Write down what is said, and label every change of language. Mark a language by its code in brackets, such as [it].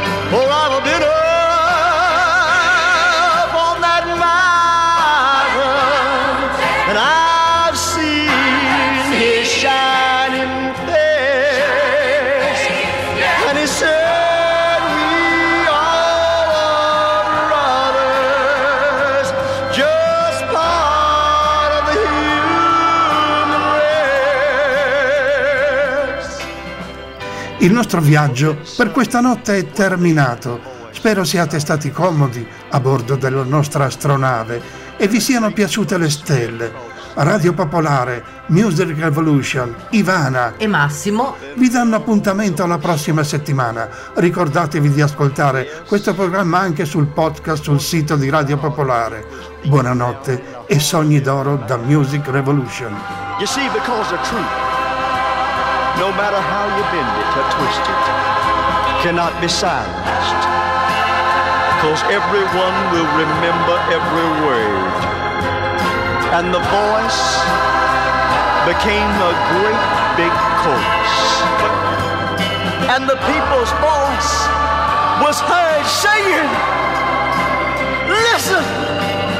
[en] For I've been up on that mountain, and I've seen his shining face, and he said we are brothers, just part of the human race. [it] Il nostro viaggio per questa notte è terminato. Spero siate stati comodi a bordo della nostra astronave e vi siano piaciute le stelle. Radio Popolare, Music Revolution, Ivana e Massimo vi danno appuntamento alla prossima settimana. Ricordatevi di ascoltare questo programma anche sul podcast sul sito di Radio Popolare. Buonanotte e sogni d'oro da Music Revolution. [en] You see, because the truth, no matter how you bend it or twist it, cannot be silenced, 'cause everyone will remember every word. And the voice became a great big chorus, and the people's voice was heard saying, listen!